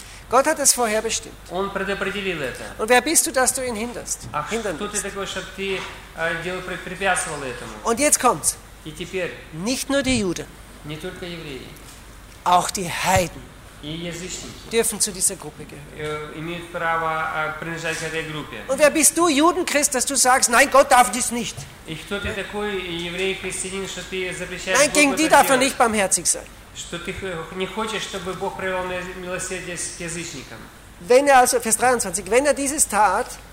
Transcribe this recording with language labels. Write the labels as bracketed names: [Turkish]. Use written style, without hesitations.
[German] Gott hat es vorherbestimmt. [Russian] Он предопределил это. [German] Und wer bist du, dass du ihn hinderst? [Russian] Ach, кто ты такой, чтобы ты препятствовал этому? [German] Und jetzt kommt's. [Russian] И теперь. [German] Nicht nur die Juden. [Russian] Не только евреи. [German] Auch die Heiden. [Russian] И язычники. [German] Dürfen zu dieser Gruppe gehören. [Russian] Имеют право принадлежать к этой группе. [German] Und wer bist du, Judenchrist, dass du sagst, nein, Gott darf dies nicht? [Russian] И кто ты такой, еврей-христианин, что ты запрещаешь? [German] Nein, gegen die darf er nicht barmherzig sein. [Russian] Что ты не хочешь, чтобы Бог проявил милосердие к язычникам. [German] Wenn er also, Vers 23, wenn er dieses tat,